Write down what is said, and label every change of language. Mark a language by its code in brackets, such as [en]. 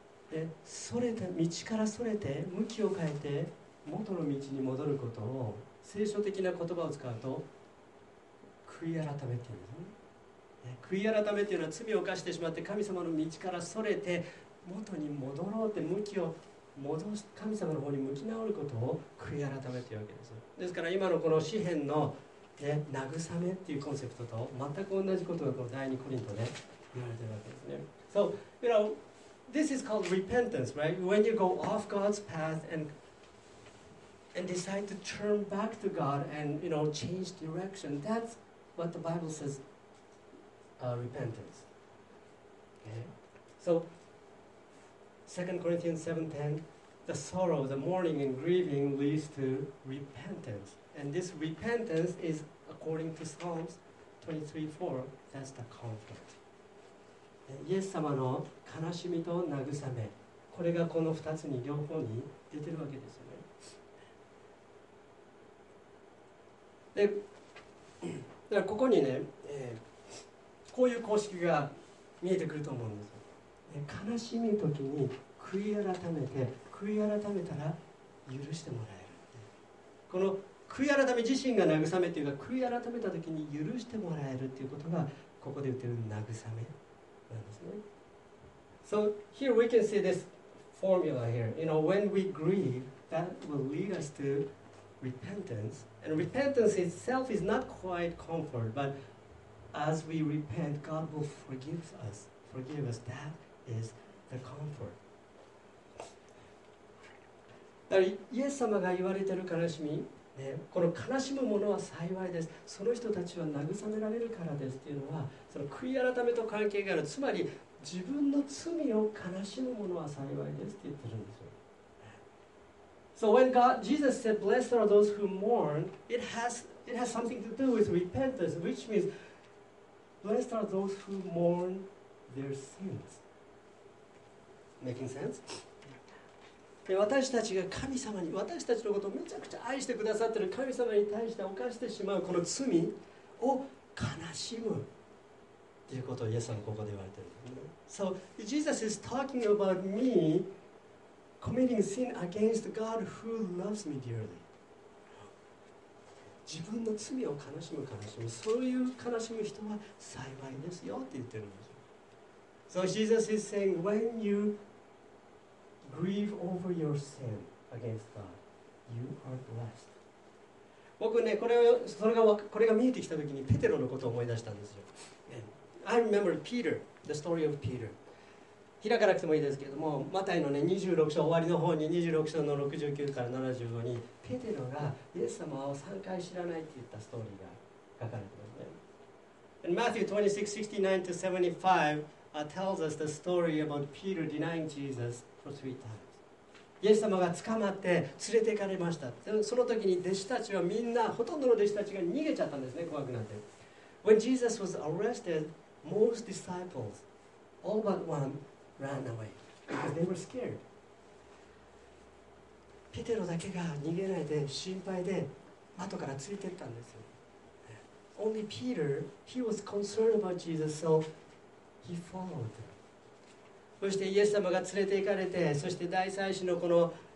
[ja] で、それた、道からそれて、向きを変えて、元の道に戻ることを、聖書的な言葉を使うと、悔い改めっていうんですね。悔い改めっていうのは、罪を犯してしまって、神様の道からそれて、元に戻ろうって向きを戻し、神様の方に向き直ることを悔い改めているわけです。ですから今のこの詩編の、ね、慰めっていうコンセプトと全く同じことがこの第2コリントで言われているわけですね。 [en] So, you know, this is called repentance, right? When you go off God's path and decide to turn back to God and, you know, change direction, that's what the Bible says, repentance. Okay? So, 2 Corinthians 7:10, the sorrow, the mourning and grieving leads to repentance. And this repentance is according to Psalms 23:4, that's the comfort. [ja] イエス様の悲しみと慰め、これがこの2つに両方に出てるわけですよね。で、だからここにね、こういう公式が見えてくると思うんです。で、悔しみの時に悔い改めたら許してもらえる。この悔い改め自身が慰めというか、悔い改めた時に許してもらえるということがここで言っている慰めなんですね。 [en] So here we can see this formula here. You know, when we grieve, that will lead us to repentance. And repentance itself is not quite comfort, but as we repent, God will forgive us. Forgive us. That is the comfort. [ja] だからイエス様が言われている悲しみ、ね、この悲しむ者は幸いです、その人たちは慰められるからですというのは、その悔い改めと関係がある、つまり自分の罪を悲しむ者は幸いですと言ってるんですよ。 [en] So when God, Jesus said, blessed are those who mourn, it has something to do with repentance, which means blessed are those who mourn their sins. Making sense? [ja] 私たちが神様に、私たちのことをめちゃくちゃ愛してくださっている神様に対して犯してしまうこの罪を悲しむということをイエス様ここで言われている。 [en] So Jesus is talking about me committing sin against God who loves me dearly. [ja] 自分の罪を悲しむ、悲しむ、そういう悲しむ人は幸いですよって言ってるんです。 [en] So Jesus is saying, when youGrieve over your sin against God. You are blessed. [ja] 僕ね、これが見えてきたときにペテロのことを思い出したんですよ。 [en] I remember Peter, the story of Peter. [ja] 開かなくてもいいですけれども、マタイのね、26章終わりの方に、26章の69から75に、ペテロがイエス様を3回知らないって言ったストーリーが書かれてますね。 [en] In Matthew 26:69-75, tells us the story about Peter denying Jesus. [ja] イエス様が捕まって連れて行かれました。その時に弟子たちはみんな、ほとんどの弟子たちが逃げちゃったんですね、怖くなって。 [en] When Jesus was arrested, most disciples, all but one, ran away because they were scared. [ja] ピテロだけが逃げないで心配で後からついてったんですよ。 [en] Only Peter, he was concerned about Jesus, so he followed him. [ja] そしてイエス様が連れて行かれて、そして大祭司のこの